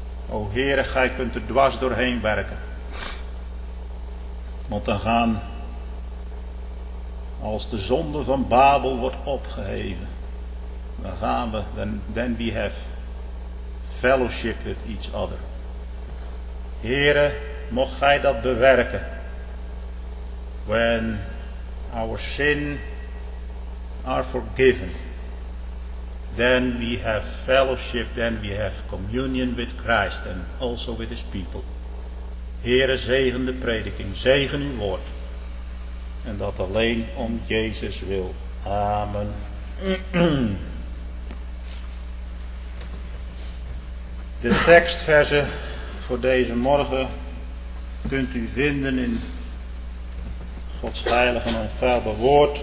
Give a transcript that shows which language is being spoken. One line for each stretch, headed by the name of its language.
Dutch: O Heere, gij kunt er dwars doorheen werken. Want dan gaan, als de zonde van Babel wordt opgeheven, dan gaan we,
English: then we have fellowship with each other.
Dutch: Heere, mocht gij dat bewerken,
English: when our sin are forgiven, then we have fellowship, then we have communion with Christ and also with his people.
Dutch: Heere, zegen de prediking, zegen uw woord. En dat alleen om Jezus wil. Amen. De tekstverzen voor deze morgen kunt u vinden in Gods heilige en onfeilbaar woord.